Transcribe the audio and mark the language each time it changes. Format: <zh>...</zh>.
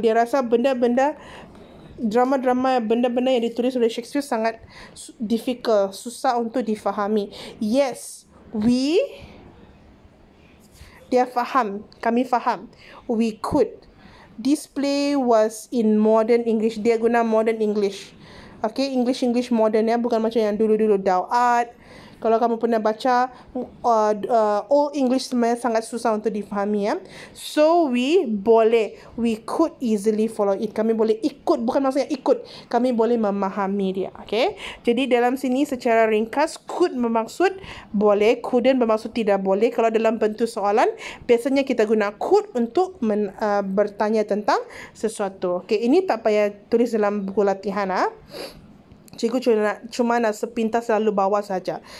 <ms>Dia rasa benda-benda, drama-drama, benda-benda yang ditulis oleh Shakespeare sangat difficult, susah untuk difahami.</ms> <en>Yes, we,</en> <ms>dia faham, kami faham,</ms> <en>we could. This play was in modern English,</en> <ms>dia guna</ms> <en>modern English.</en> <ms>Okay, English modern ya, bukan macam yang dulu-dulu Dao Art. Kalau kamu pernah baca Old English sebenarnya sangat susah untuk difahami ya.</ms> <en>So we</en> <ms>boleh,</ms> <en>we could easily follow it.</en> <ms>Kami boleh ikut, bukan maksudnya ikut. Kami boleh memahami dia. Okay, jadi dalam sini secara ringkas, could bermaksud boleh, couldn't bermaksud tidak boleh. Kalau dalam bentuk soalan, biasanya kita guna could untuk bertanya tentang sesuatu. Okay, ini tak payah tulis dalam buku latihan ah. Cikgu cuma nak sepintas lalu bawa saja.</ms>